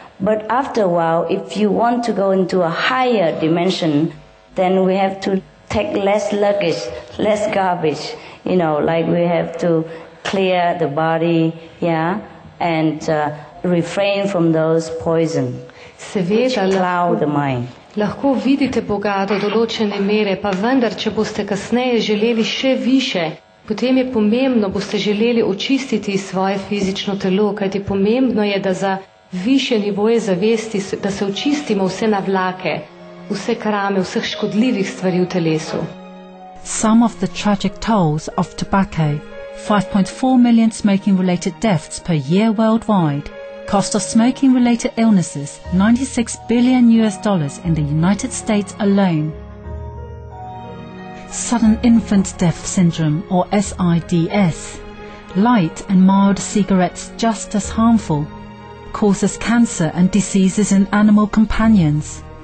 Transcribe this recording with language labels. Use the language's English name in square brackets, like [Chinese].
[English] But after a while, if you want to go into a higher dimension, then we have to take less luggage, less garbage. You know, like we have to clear the body, yeah, and refrain from those poison. [Slovenian] Seveda, [English] cloud the mind. [Slovenian] Lahko vidite Boga do določene mere, pa vendar, če boste kasneje želeli še više, potem je pomembno, boste želeli očistiti svoje fizično telo, kajti pomembno je, da za više nivoje zavesti, da se očistimo vse navlake, vse krame, vseh škodljivih stvari v telesu. [English] Some of the tragic tolls of tobacco, 5.4 million smoking-related deaths per year worldwide, cost of smoking-related illnesses, $96 billion in the United States alone. Sudden Infant Death Syndrome, or SIDS, light and mild cigarettes just as harmful, causes cancer and diseases in animal companions.